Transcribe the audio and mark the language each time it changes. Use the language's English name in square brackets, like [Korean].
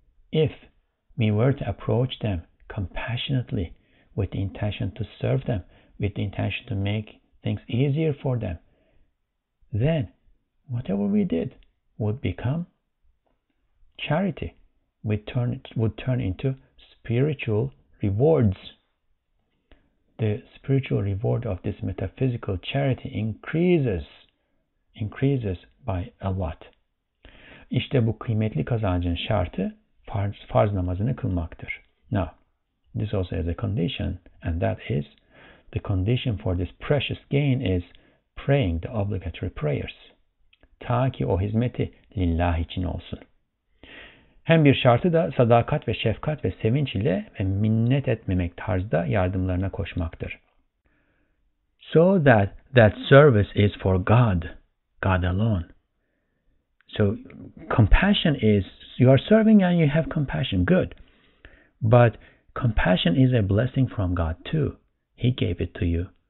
[English] If we were to approach them compassionately, with the intention to serve them, with the intention to make things easier for them, then whatever we did would become charity. It would turn into spiritual rewards. The spiritual reward of this metaphysical charity increases by a lot. [Turkish] İşte bu kıymetli kazancın şartı farz namazını kılmaktır. [English] Now, this also has a condition, and that is, the condition for this precious gain is praying the obligatory prayers. [Turkish] Ta ki o hizmeti lillah için olsun. Hem bir şartı da sadakat ve şefkat ve sevinç ile ve minnet etmemek tarzda yardımlarına koşmaktır. [English] So that service is for God, God alone. So compassion is, you are serving and you have compassion, good. But compassion is a blessing from God too. He gave it to you.